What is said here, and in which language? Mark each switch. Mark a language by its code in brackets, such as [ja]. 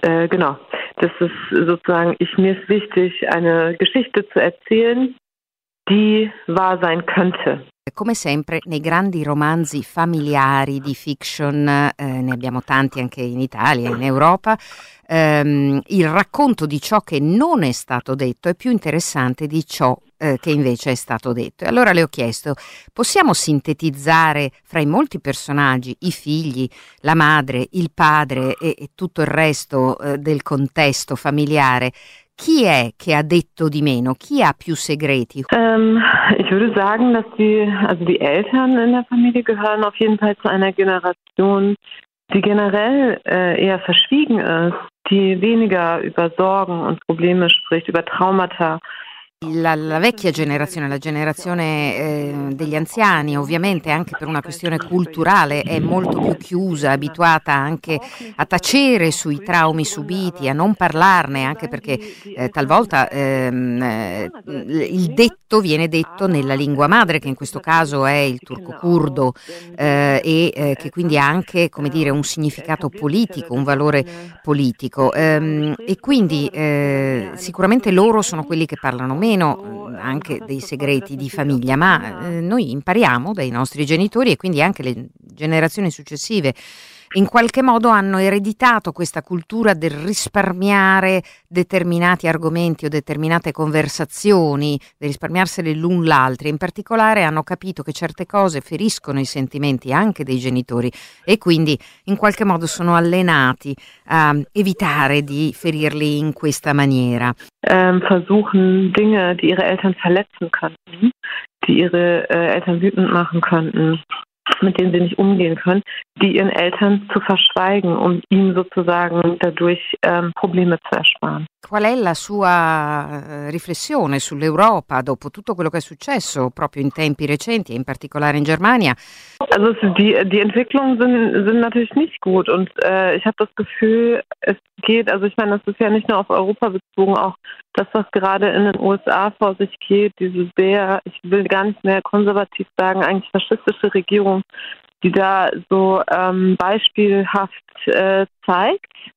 [de] Genau, das ist sozusagen, mir ist wichtig, eine Geschichte zu erzählen, die wahr sein könnte. [it] Come sempre nei grandi romanzi familiari di fiction, ne abbiamo tanti anche in Italia, in Europa, il racconto di ciò che non è stato detto è più interessante di ciò che invece è stato detto. E allora le ho chiesto, possiamo sintetizzare fra i molti personaggi, i figli, la madre, il padre e tutto il resto del contesto familiare, chi è che ha detto di meno? Chi ha più segreti? [de] Ich würde sagen, dass die Eltern in der Familie gehören auf jeden Fall zu einer Generation, die generell eher verschwiegen ist, die weniger über Sorgen und Probleme spricht, über Traumata. [it] La vecchia generazione, la generazione degli anziani, ovviamente anche per una questione culturale è molto più chiusa, abituata anche a tacere sui traumi subiti, a non parlarne, anche perché talvolta il detto viene detto nella lingua madre, che in questo caso è il turco-curdo che quindi ha anche, come dire, un significato politico, un valore politico sicuramente loro sono quelli che parlano meno. Meno anche dei segreti di famiglia, ma noi impariamo dai nostri genitori e quindi anche le generazioni successive in qualche modo hanno ereditato questa cultura del risparmiare determinati argomenti o determinate conversazioni, di risparmiarsele l'un l'altro. In particolare hanno capito che certe cose feriscono i sentimenti anche dei genitori e quindi in qualche modo sono allenati a evitare di ferirli in questa maniera. [de] Versuchen Dinge, die ihre Eltern verletzen könnten, die ihre Eltern wütend machen könnten, mit denen sie nicht umgehen können, die ihren Eltern zu verschweigen, um ihnen sozusagen dadurch Probleme zu ersparen. [it] Qual è la sua riflessione sull'Europa dopo tutto quello che è successo proprio in tempi recenti, in particolare in Germania? [de] Also die Entwicklungen sind natürlich nicht gut und ich habe das Gefühl, es geht, also ich meine, das ist ja nicht nur auf Europa bezogen, auch das, was gerade in den USA vor sich geht, diese sehr, ich will gar nicht mehr konservativ sagen, eigentlich faschistische Regierung, die da so beispielhaft zeigt.